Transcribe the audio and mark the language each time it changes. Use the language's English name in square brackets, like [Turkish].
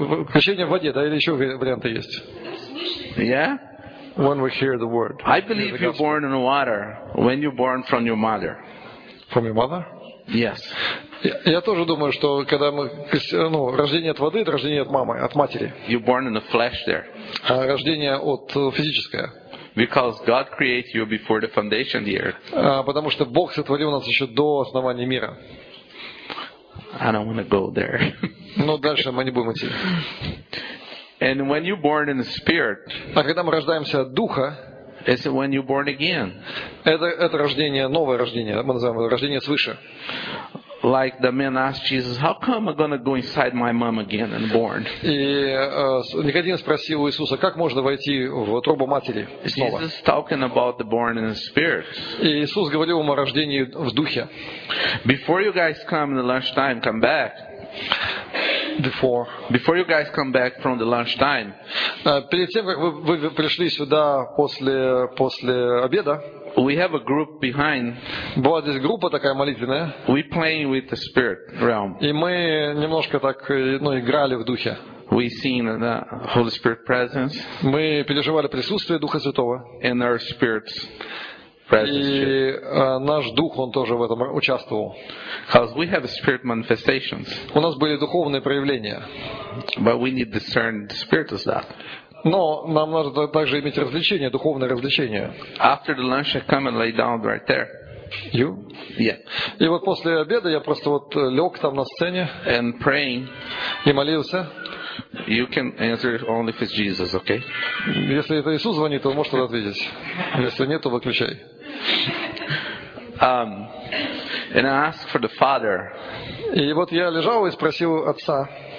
[Russian] Крещение в воде, да, или еще варианты есть? [English] Yeah. When we hear the word. I believe you're born in the water when you're born from your mother. From your mother? Yes. [Russian] Я тоже думаю, что когда мы, ну, рождение от воды, это рождение от мамы, от матери. [English] You're born in the flesh there. [Russian] А рождение от физическое. [English] Because God created you before the foundation of the earth. [Russian] А потому что Бог сотворил нас еще до основания мира. [English] I don't want to go there. [Russian] Но дальше мы не будем идти. [English] And when you're born in the spirit. [Russian] А когда мы рождаемся от духа. [English] It's when you're born again. [Russian] Это рождение, новое рождение, мы называем это рождение свыше. [English] Like the man asked Jesus, how come I'm gonna go inside my mom again and born? [Russian] И Никодим спросил у Иисуса, как можно войти в утробу матери снова? [English] Jesus talking about the born in the spirit. [Russian] И Иисус говорил ему о рождении в духе. [English] Before you guys come in the lunchtime, come back. Before you guys come back from the lunchtime. [Russian] Перед тем как вы пришли сюда после обеда. [English] We have a group behind. [Russian] Была здесь группа такая молитвенная. [English] We playing with the spirit realm. [Russian] И мы немножко так, ну, играли в духе. [English] We seen the Holy Spirit presence. [Russian] Мы переживали присутствие Духа Святого. [English] And our spirits. [Russian] И наш дух, он тоже в этом участвовал. [English] Because we have spirit manifestations. [Russian] У нас были духовные проявления. [English] But we need to discern the spirit of that. [Russian] Но нам надо также иметь развлечение, духовное развлечение. [English] After the lunch, I come and lay down right there. You? Yeah. [Russian] И вот после обеда я просто вот лег там на сцене. [English] And praying. [Russian] И молился. [English] You can answer only if it's Jesus, okay? [Russian] Если это Иисус звонит, то он может тогда ответить. Если нет, то выключай. [English] And I asked for the Father. [Russian] И вот я лежал и спросил Отца.